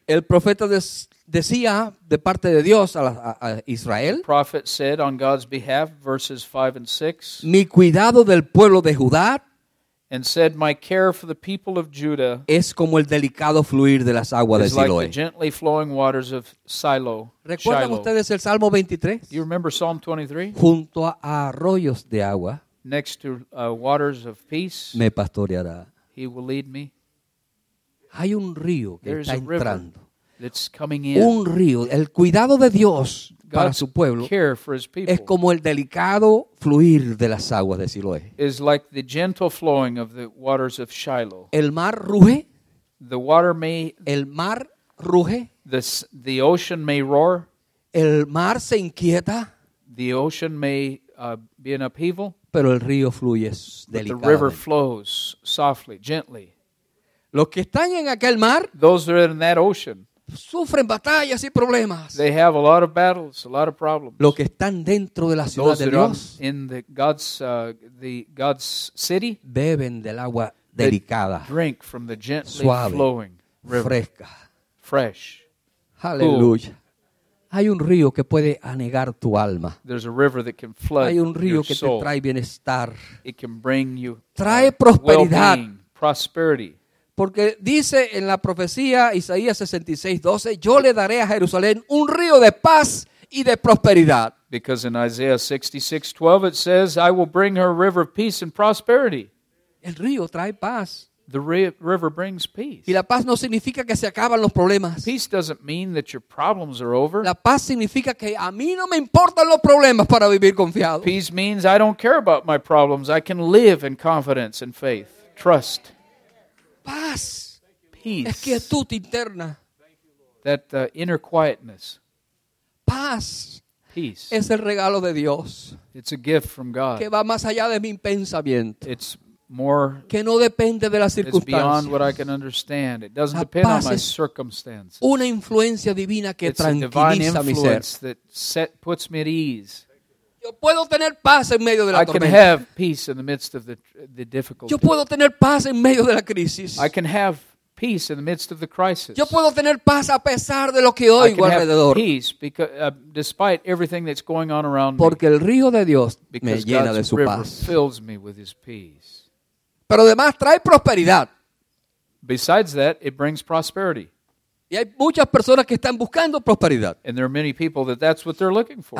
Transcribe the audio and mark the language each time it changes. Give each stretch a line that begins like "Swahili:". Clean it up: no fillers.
Spanish: el profeta decía de parte de Dios a Israel,
English: the prophet said on God's behalf, verses 5 and 6,
Spanish: mi cuidado del pueblo de Judá,
English: and said, my care for the people of Judah
Spanish: es como el delicado fluir de las aguas de Siloé.
English: Like the gently flowing waters of Shiloh.
Spanish: ¿Recuerdan ustedes el Salmo 23?
English: You remember Psalm 23?
Spanish: Junto a arroyos de agua.
English: Next to waters of peace,
Spanish: me pastoreará.
English: He will lead me.
Spanish: Hay un río que está entrando.
English: That's coming in.
Spanish: Un río. El cuidado de Dios para su pueblo es como el delicado fluir de las aguas de Siloé.
English: Is like the gentle flowing of the waters of Shiloh.
Spanish: El mar ruge.
English: The water may.
Spanish: El mar ruge.
English: The ocean may roar.
Spanish: El mar se inquieta.
English: The ocean may be in upheaval.
Spanish: Pero el río fluye delicadamente.
English: The river flows softly, gently.
Spanish: Los que están en aquel mar,
English: those that are in that ocean,
Spanish: sufren batallas y problemas.
English: They have a lot of battles, a lot of problems.
Spanish: Los que están dentro de la ciudad
English: those
Spanish: de Dios,
English: in the God's city,
Spanish: beben del agua delicada,
English: drink from the gently
Spanish: suave,
English: flowing river,
Spanish: fresca,
English: fresh.
Spanish: Aleluya. Hay un río que puede anegar tu alma.
English: There's a river that can flood.
Spanish: Hay un río que
English: soul
Spanish: te trae bienestar.
English: It can bring you
Spanish: trae prosperidad.
English: Well-being, prosperity.
Spanish: Porque dice en la profecía Isaías 66:12, yo le daré a Jerusalén un río de paz y de prosperidad.
English: Because in Isaiah 66:12 it says, I will bring her a river of peace and prosperity.
Spanish: El río trae paz.
English: The river brings peace.
Spanish: Y la paz no significa que se acaban los problemas.
English: Peace doesn't mean that your problems are over.
Spanish: La paz significa que a mí no me importan los problemas para vivir confiado.
English: Peace means I don't care about my problems. I can live in confidence and faith. Trust.
Spanish: Paz.
English: Peace.
Spanish: Es quietud interna.
English: That inner quietness.
Spanish: Paz.
English: Peace.
Spanish: Es el regalo de Dios.
English: It's a gift from God.
Spanish: Que va más allá de mi pensamiento.
English: It's more,
Spanish: que no depende de las circunstancias.
English: It's beyond what I can understand. It doesn't depend on my circumstances.
Spanish: Una influencia divina que tranquiliza mi ser.
English: Puts me at ease.
Spanish: Yo puedo tener paz en medio de la tormenta.
English: I can have peace in the midst of the difficulty.
Spanish: Yo puedo tener paz en medio de la crisis.
English: I can have peace in the midst of the crisis.
Spanish: Yo puedo tener paz a pesar de lo que oigo alrededor.
English: I can have peace despite everything that's going on around me.
Spanish: Porque el río de Dios me llena de su paz.
English: Because God's river fills me with his peace.
Spanish: Pero además trae prosperidad.
English: Besides that, it brings prosperity.
Spanish: Y hay muchas personas que están buscando prosperidad.
English: And there are many people that's what they're looking for.